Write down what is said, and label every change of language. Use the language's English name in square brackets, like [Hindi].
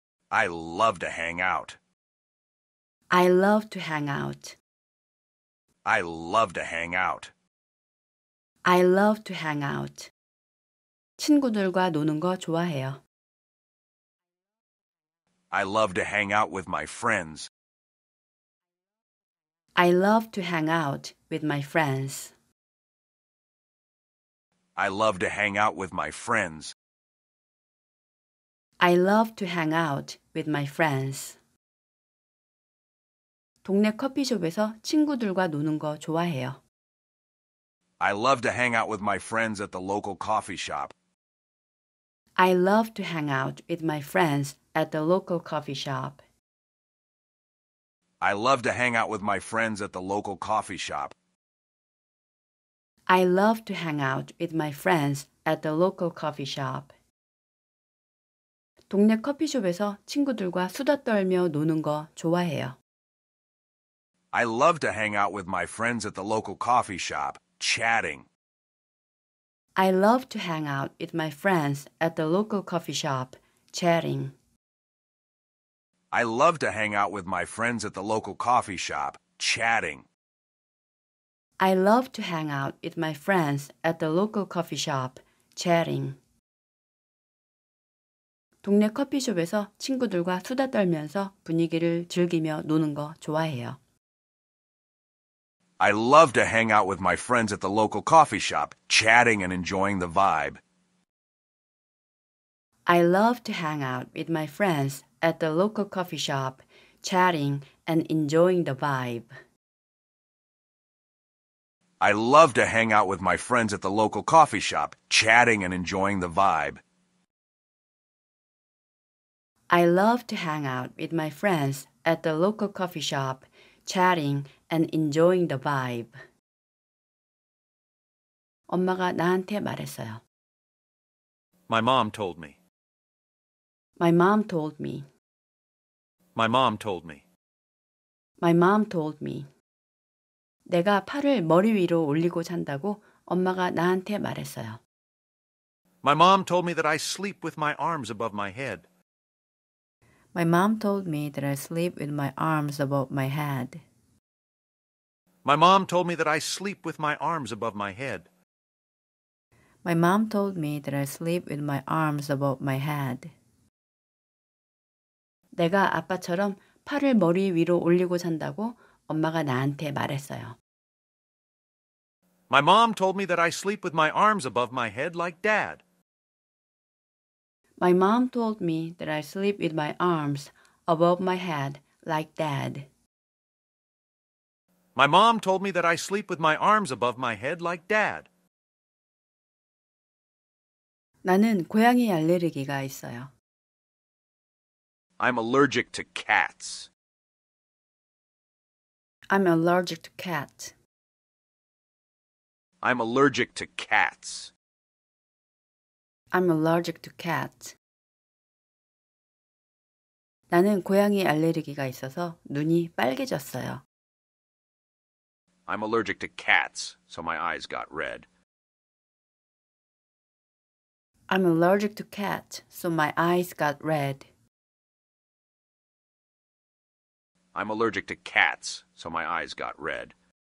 [English] I love to hang out. I love to hang out. I love to hang out. I love to hang out. [Korean] 친구들과 노는 거 좋아해요. [English] I love to hang out with my friends. I love to hang out with my friends. I love to hang out with my friends. I love to hang out with my friends. [Korean] 동네 커피숍에서 친구들과 노는 거 좋아해요. [English] I love to hang out with my friends at the local coffee shop. I love to hang out with my friends at the local coffee shop. I love to hang out with my friends at the local coffee shop. I love to hang out with my friends at the local coffee shop. [Korean] 동네 커피숍에서 친구들과 수다 떨며 노는 거 좋아해요. [English] I love to hang out with my friends at the local coffee shop, chatting. I love to hang out with my friends at the local coffee shop, chatting. I love to hang out with my friends at the local coffee shop, chatting. I love to hang out with my friends at the local coffee shop, chatting. [Korean] 동네 커피숍에서 친구들과 수다 떨면서 분위기를 즐기며 노는 거 좋아해요. [English] I love to hang out with my friends at the local coffee shop, chatting and enjoying the vibe. I love to hang out with my friends at the local coffee shop, chatting and enjoying the vibe. I love to hang out with my friends at the local coffee shop, chatting and enjoying the vibe. I love to hang out with my friends at the local coffee shop, chatting and enjoying the vibe. [Korean] 엄마가 나한테 말했어요. [English] My mom told me. My mom told me. My mom told me. My mom told me. [Korean] 내가 팔을 머리 위로 올리고 잔다고 엄마가 나한테 말했어요. [English] My mom told me that I sleep with my arms above my head. My mom told me that I sleep with my arms above my head. My mom told me that I sleep with my arms above my head. My mom told me that I sleep with my arms above my head. [Korean] 내가 아빠처럼 팔을 머리 위로 올리고 잔다고 엄마가 나한테 말했어요. [English] My mom told me that I sleep with my arms above my head like dad. My mom told me that I sleep with my arms above my head like dad. My mom told me that I sleep with my arms above my head like dad. [Korean] 나는 고양이 알레르기가 있어요. [English] I'm allergic to cats. I'm allergic to cats. I'm allergic to cats. I'm allergic to cats. [Korean] 나는 고양이 알레르기가 있어서 눈이 빨개졌어요. [English] I'm allergic to cats, so my eyes got red. I'm allergic to cats, so my eyes got red. I'm allergic to cats, so my eyes got red.